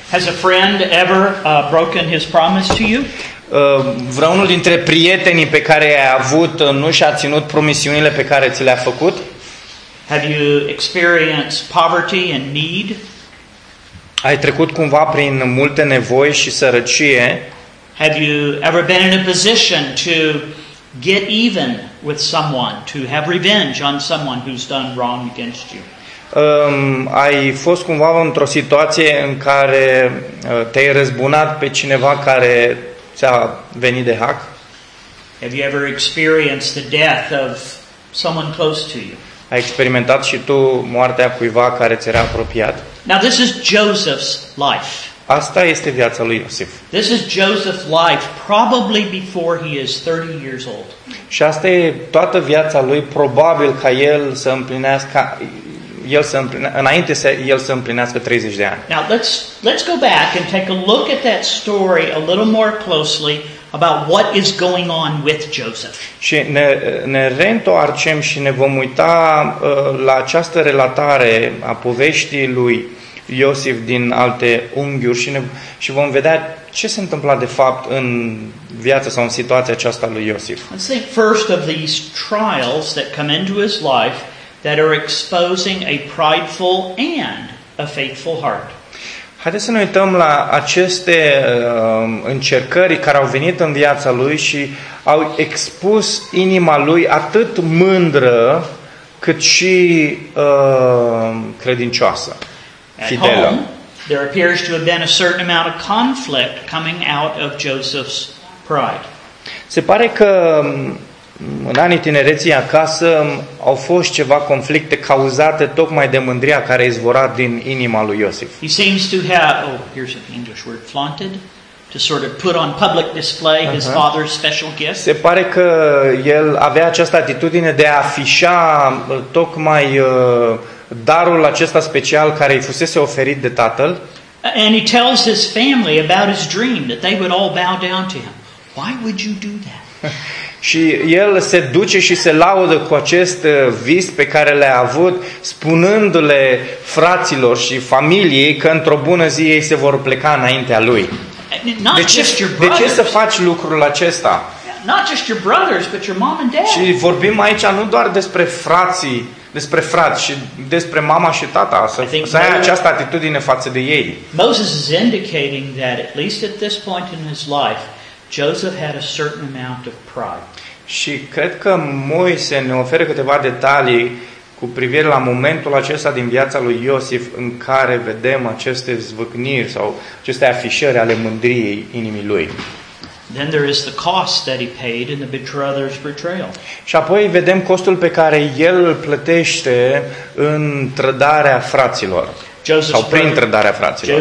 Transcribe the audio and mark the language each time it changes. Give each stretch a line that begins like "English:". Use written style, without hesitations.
English: Has a friend ever broken his promise to you?
Romanian: Vreunul dintre prietenii pe care i-a avut nu și-a ținut promisiunile pe care ți le-a făcut?
English: Have you experienced poverty and need?
Romanian: Ai trecut cumva prin multe nevoi și sărăcie?
English: Have you ever been in a position to get even with someone, to have revenge on someone who's done wrong against you?
Romanian: Ai fost cumva într-o situație în care te-ai răzbunat pe cineva care ți-a venit de hac?
English: Have you ever experienced the death of someone close to you?
Romanian: Ai experimentat și tu moartea cuiva care ți era apropiat?
English: Now this is Joseph's life.
Romanian: Asta este viața lui Iosif.
English: This is Joseph's life probably before he is 30 years old.
Romanian: Și asta e toată viața lui, probabil ca el să împlinească înainte să împlinească 30 de ani.
English: Now let's go back and take a look at that story a little more closely about what is going on with Joseph.
Romanian: Și ne reîntoarcem și ne vom uita la această relatare a poveștii lui Iosif din alte unghiuri și vom vedea ce s-a întâmplat de fapt în viața sau în situația aceasta lui Iosif.
English: Let's think first of these trials that come into his life that are exposing a prideful and a faithful heart.
Romanian: Haideți să ne uităm la aceste încercări care au venit în viața lui și au expus inima lui atât mândră cât și credincioasă, fidelă.
English: At home, there appears to have been a certain amount of conflict coming out of Joseph's pride.
Romanian: Se pare că în anii tinereții acasă au fost ceva conflicte cauzate tocmai de mândria care a izvorat din inima lui Iosif.
English: He seems to have, here's an English word, flaunted, to sort of put on public display his father's special gift.
Romanian: Se pare că el avea această atitudine de a afișa tocmai darul acesta special care îi fusese oferit de tatăl.
English: And he tells his family about his dream that they would all bow down to him. Why would you do that?
Romanian: Și el se duce și se laudă cu acest vis pe care l-a avut, spunându-le fraților și familiei că într-o bună zi ei se vor pleca înaintea lui. De ce să faci lucrul acesta?
English: not just your brothers, but your mom and dad.
Romanian: Și vorbim aici nu doar despre frații, despre frați și despre mama și tata, să ai această atitudine față de ei.
English: Moses is indicating that at least at this point in his life, Joseph had a certain amount of pride.
Romanian: Și cred că Moise ne oferă câteva detalii cu privire la momentul acesta din viața lui Iosif în care vedem aceste zvâcniri sau aceste afișări ale mândriei inimii lui.
English: Then there is the cost that he paid in the brother's betrayal.
Romanian: Și apoi vedem costul pe care el îl plătește în trădarea fraților.
English: Joseph's
Romanian: sau prin trădarea fraților.